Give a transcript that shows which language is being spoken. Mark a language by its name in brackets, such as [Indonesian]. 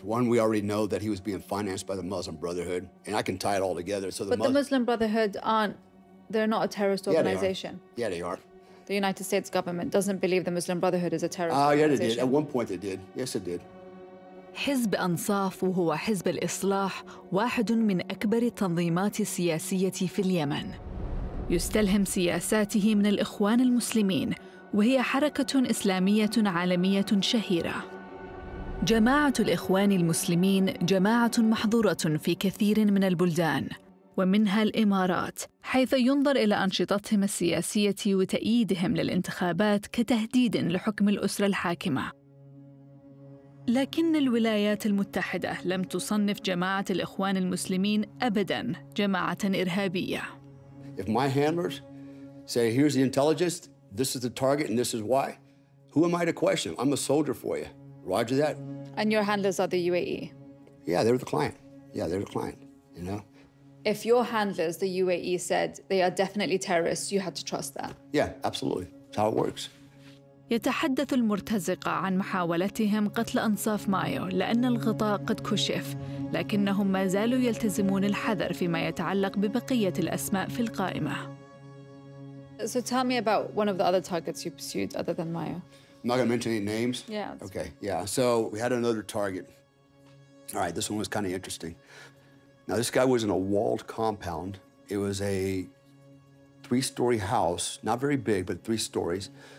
[English] One, we already know that he was being financed by the Muslim Brotherhood, and I can tie it all together. So the Muslim Brotherhood aren't—they're not a terrorist organization. Yeah, they are. The United States government doesn't believe the Muslim Brotherhood is a terrorist. Oh, yeah, they did. At one point, they did. Yes, it did. [Arabic] حزب أنصاف وهو حزب الإصلاح واحد من أكبر التنظيمات السياسية في اليمن. يستلهم سياساته من الإخوان المسلمين، وهي حركة إسلامية عالمية شهيرة. جماعة الإخوان المسلمين جماعة محظورة في كثير من البلدان، ومنها الإمارات، حيث ينظر إلى أنشطتهم السياسية وتأييدهم للانتخابات كتهديد لحكم الأسرة الحاكمة. لكن الولايات المتحدة لم تصنف جماعة الإخوان المسلمين أبداً جماعة إرهابية. [English] If my handlers say, here's the intelligence, this is the target, and this is why, who am I to question? I'm a soldier for you. Roger that. And your handlers are the UAE? Yeah, they're the client. Yeah, they're the client, you know? If your handlers, the UAE, said they are definitely terrorists, you had to trust that. Yeah, absolutely. That's how it works. [Arabic] يتحدث المرتزقة عن محاولتهم قتل أنصاف مايو لأن الغطاء قد كشف، لكنهم ما زالوا يلتزمون الحذر فيما يتعلق ببقية الأسماء في القائمة. [English] So tell me about one of the other targets you pursued other than Mayo. I'm not going to mention any names. Yeah. Okay. Yeah. So we had another target. All right. This one was kind of interesting. Now this guy was in a walled compound. It was a 3-story house, not very big, but 3 stories.